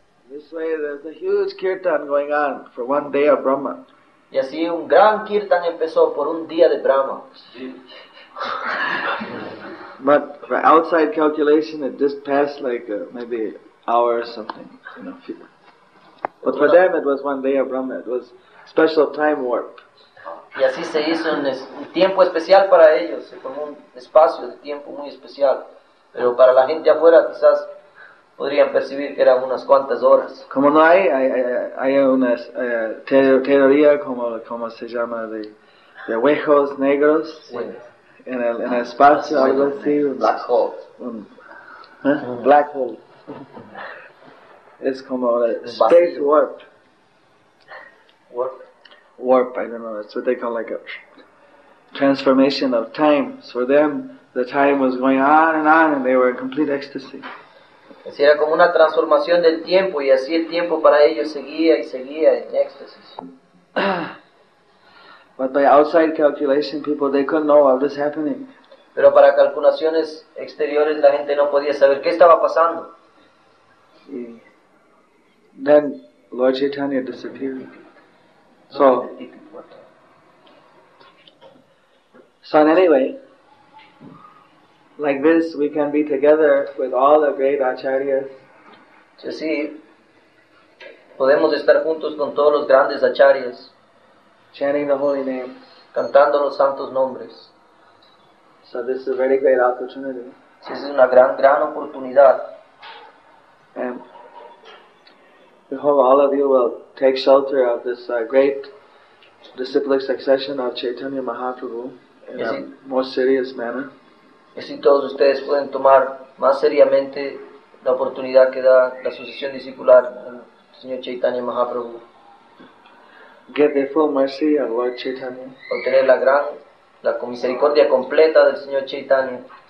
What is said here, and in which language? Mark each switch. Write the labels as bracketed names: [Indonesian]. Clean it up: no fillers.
[English] This way there's a huge kirtan going on for one day of Brahma. [Spanish] Y así un gran kirtan empezó por un día de Brahma. [English] But for outside calculation, it just passed like maybe an hour or something. You know. But for them, it was one day of Brahma. It was special time warp. [Spanish] Y así se hizo un tiempo especial para ellos. Se formó un espacio de tiempo muy especial. Pero para la gente afuera, quizás podrían percibir que eran unas cuantas horas. Como no hay, hay una teoría como se llama de huecos negros, sí. en el espacio, sí, algo así. [English] Black hole. Black hole. [Spanish] Es como [English] space warp. Warp? Warp, I don't know. That's what they call like a transformation of time. So for them, the time was going on and they were in complete ecstasy. [Spanish] Era como una transformación del tiempo y así el tiempo para ellos seguía y seguía en éxtasis. [English] But by outside calculation, people, they couldn't know what was happening. [Spanish] Pero para calculaciones exteriores la gente no podía saber qué estaba pasando. [English] Y then Lord Chaitanya disappeared. So So in any way, like this, we can be together with all the great acharyas. [Spanish] Es decir, podemos estar juntos con todos los grandes acharyas, [English] chanting the holy names, [Spanish] cantando los santos nombres. [English] So this is a very great opportunity. [Spanish] Es una gran oportunidad. [English] And we hope all of you will take shelter of this great disciplic succession of Chaitanya Mahaprabhu in a most serious manner. [Spanish] Y si todos ustedes pueden tomar más seriamente la oportunidad que da la sucesión discipular del Señor Chaitanya Mahaprabhu. [English] Get the full mercy of Lord Chaitanya. [Spanish] Obtener la gran, la misericordia completa del Señor Chaitanya.